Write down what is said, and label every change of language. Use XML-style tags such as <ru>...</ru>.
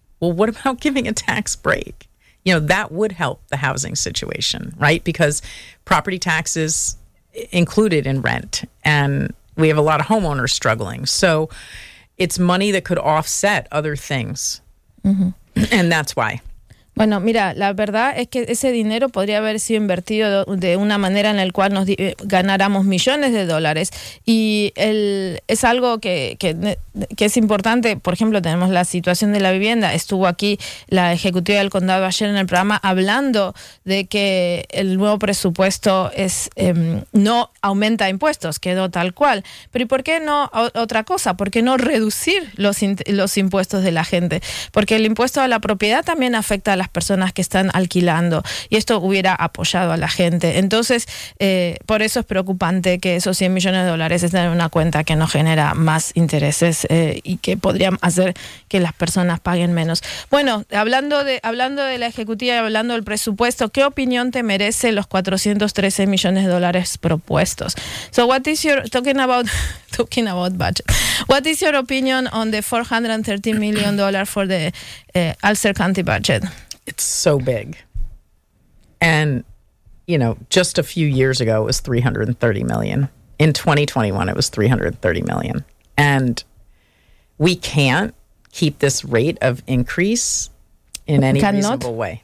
<en>Well, what about giving a tax break? You know, that would help the housing situation, right? Because property taxes included in rent, and we have a lot of homeowners struggling. So it's money that could offset other things. Mm-hmm. And that's why.</en> <es>Bueno, mira, la verdad es que ese dinero podría haber sido invertido de una manera en la cual nos ganáramos millones de dólares. Y es algo que es importante. Por ejemplo, tenemos la situación de la vivienda. Estuvo aquí la ejecutiva del condado ayer en el programa hablando de que el nuevo presupuesto no aumenta impuestos, quedó tal cual. Pero ¿y por qué no otra cosa? ¿Por qué no reducir los impuestos de la gente? Porque el impuesto a la propiedad también afecta a las personas que están alquilando, y esto hubiera apoyado a la gente. Entonces, por eso es preocupante que esos 100 millones de dólares estén en una cuenta que no genera más intereses y que podrían hacer que las personas paguen menos. Bueno, hablando de la ejecutiva y hablando del presupuesto, ¿qué opinión te merece los 413 millones de dólares propuestos?</es> <en>So what is your talking about budget? What is your opinion on the $430 million for the Ulster County budget? It's so big. And, you know, just a few years ago, it was $330 million. In 2021, it was $330 million. And we can't keep this rate of increase in any reasonable way.</en>